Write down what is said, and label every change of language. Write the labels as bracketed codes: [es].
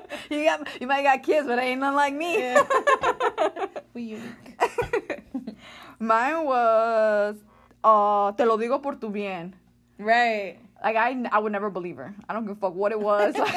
[en] You might got kids, but ain't none like me. We unique. Mine was, [es] te lo digo por tu bien. [en] Right. Like, I would never believe her. I don't give a fuck what it was.